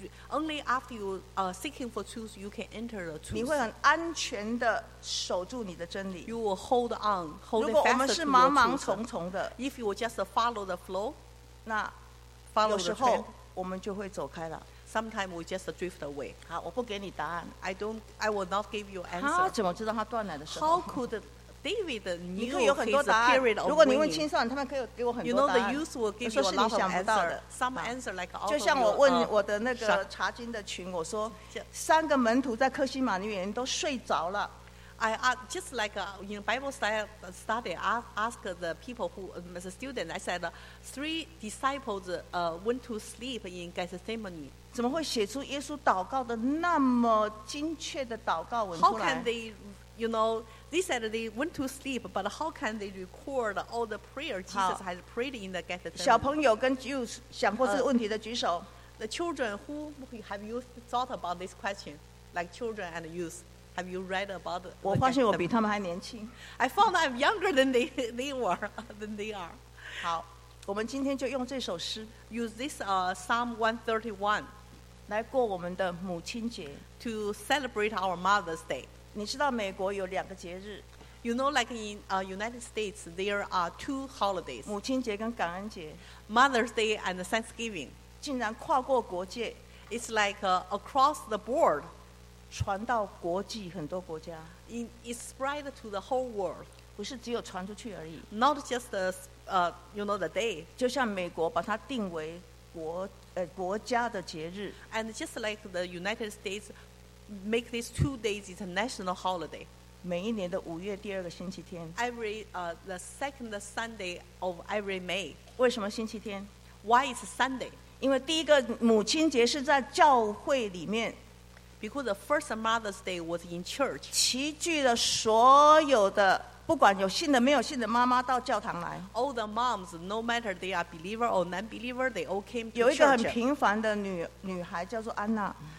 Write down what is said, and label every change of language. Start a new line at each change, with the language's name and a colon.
English: Only after you are seeking for truth, you can enter the truth.
Chinese: 你会很安全的守住你的真理。
English: You will hold on, hold
Chinese: fast. 如果我们是茫茫丛丛的
English: ，If you just follow the flow,
Chinese: 那
English: follow
Chinese: 有时候我们就会走开了。
English: Sometimes we just drift away.
Chinese: 好，我不给你答案。
English: I will not give you answer.
Chinese: 他怎么知道他断奶的时候
English: ？How could David knew his period of
Chinese: winning? 你可以有很多答案。
English: Period of
Chinese: 如果你问青少年，他们可以给我很多答案。
English: You know the youth will give you a lot of answers. Some answer like all of your shock.
Chinese: 就像我问我的那个查经的群，我说三个门徒在客西马尼园都睡着了。
English: I just like in Bible study, I ask the people who as a student. I said three disciples went to sleep in Gethsemane.
Chinese: 怎么会写出耶稣祷告的那么精确的祷告文出来
English: ？How can they, you know, they said they went to sleep, but how can they record all the prayer Jesus has prayed in the Gethsemane?
Chinese: 小朋友跟 Jews 想过这个问题的举手。
English: The children who have you thought about this question, like children and youth. Have you read about them?
Chinese: 我发现我比他们还年轻。
English: I found I'm younger than they are.
Chinese: 好，我们今天就用这首诗
English: ，use this Psalm 131,
Chinese: 来过我们的母亲节
English: ，to celebrate our Mother's Day.
Chinese: 你知道美国有两个节日
English: ，You know, like in United States, there are two holidays.
Chinese: 母亲节跟感恩节
English: ，Mother's Day and Thanksgiving.
Chinese: 竟然跨过国界
English: ，It's like across the board.
Chinese: 传到国际很多国家
English: It's spread to the whole world
Chinese: 不是只有传出去而已
English: Not just the, you know, the day
Chinese: 就像美国把它定为 国家的节日
English: And just like the United States make these 2 days it's a national holiday
Chinese: 每一年的五月第二个星期天
English: Every, the second Sunday of every May
Chinese: 为什么星期天
English: Why is Sunday
Chinese: 因为第一个母亲节是在教会里面
English: Because the first Mother's Day was in church.
Chinese: 齐聚了所有的，不管有信的没有信的妈妈到教堂来。
English: All the moms, no matter they are believer or non-believer, they all came to church.
Chinese: 有一个很平凡的女孩叫做安娜。